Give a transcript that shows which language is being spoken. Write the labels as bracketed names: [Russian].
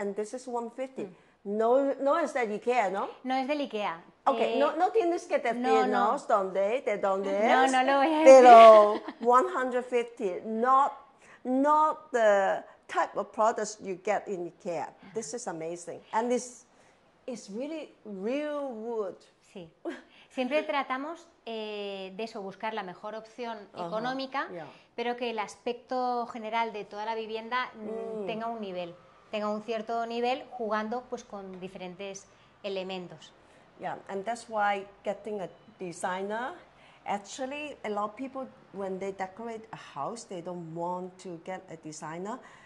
[English] And this is 150. [Spanish] Mm. No, no es de IKEA, no? No es del IKEA. Okay, no tienes que decirnos dónde es. No, no lo voy a decir. Pero 150, not the type of products you get in IKEA. [English] This is amazing. And this. It's really real wood. [Spanish] Sí. Siempre tratamos de eso, buscar la mejor opción económica, uh-huh. yeah. pero que el aspecto general de toda la vivienda tenga un nivel, tenga un cierto nivel, jugando pues con diferentes elementos. [English] Yeah, and that's why getting a designer. Actually, a lot of people, when they decorate a house, they don't want to get a designer.